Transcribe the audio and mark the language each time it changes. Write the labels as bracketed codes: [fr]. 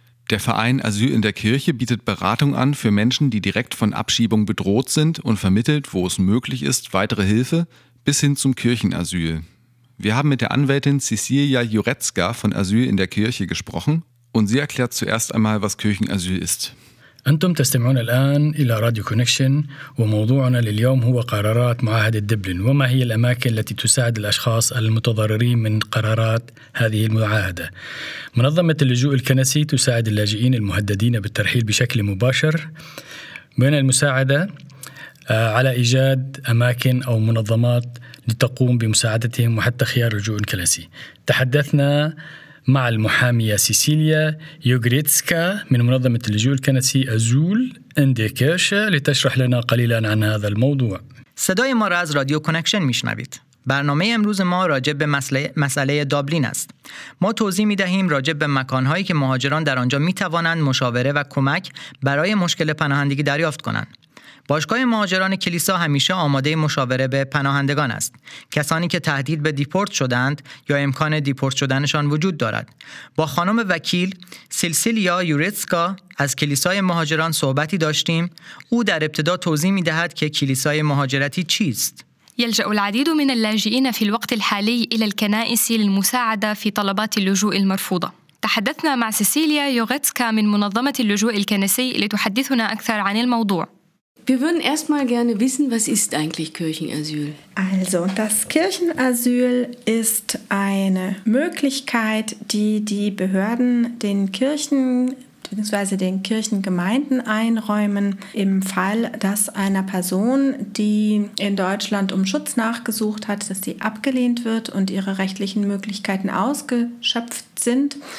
[de] Der Verein Asyl in der Kirche bietet Beratung an für Menschen, die direkt von Abschiebung bedroht sind und vermittelt, wo es möglich ist, weitere Hilfe bis hin zum Kirchenasyl. Wir haben mit der Anwältin Cecilia Jurecka von Asyl in der Kirche gesprochen und sie erklärt zuerst einmal, was Kirchenasyl ist. [ar] أنتم تستمعون الآن إلى راديو كونكشن وموضوعنا لليوم هو قرارات معاهدة دبلن وما هي الأماكن التي تساعد الأشخاص المتضررين من قرارات هذه المعاهدة. منظمة اللجوء الكنسي تساعد اللاجئين المهددين بالترحيل بشكل مباشر من المساعدة على إيجاد أماكن أو منظمات لتقوم بمساعدتهم وحتى خيار اللجوء الكنسي. تحدثنا مع المحامية سيسيليا يوغريتسكا من منظمة اللجوء الكنسي أزول إنديكيرشا لتشرح لنا قليلا عن هذا الموضوع. [fa] صدای ما را از رادیو کنکشن میشنوید. برنامه امروز ما راجع به مسئله دابلین است. ما توضیح میدهیم راجع به مکانهایی که مهاجران در آنجا میتوانند مشاوره و کمک برای مشکل پناهندگی دریافت کنند. باشگاه مهاجران کلیسا همیشه آماده مشاوره به پناهندگان است. کسانی که تهدید به دیپورت شدند یا امکان دیپورت شدنشان وجود دارد. با خانم وکیل سیسیلیا یوریتسکا از کلیسای مهاجران صحبتی داشتیم. او در ابتدا توضیح می‌دهد که کلیسای مهاجرتی چیست؟ [ar] يلجأ العديد من اللاجئين في الوقت الحالي إلى الكنائس للمساعدة في طلبات اللجوء المرفوضة. تحدثنا مع سيسيليا يوغيتسكا من منظمة اللجوء الكنسي لتحدثنا أكثر عن الموضوع. [de] Wir würden erstmal gerne wissen, was ist eigentlich Kirchenasyl? Also, das Kirchenasyl ist eine Möglichkeit, die die Behörden den Kirchen bzw. den Kirchengemeinden einräumen, im Fall, dass einer Person, die in Deutschland um Schutz nachgesucht hat, dass sie abgelehnt wird und ihre rechtlichen Möglichkeiten ausgeschöpft sind.